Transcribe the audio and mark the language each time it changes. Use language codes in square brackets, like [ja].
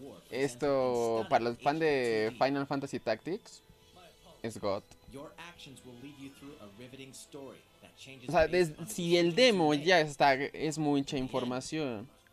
[es] Esto para los fans de Final Fantasy Tactics es God. [en] Your actions will lead you through a riveting story that changes. [es] O sea, si el demo ya está, es mucha información.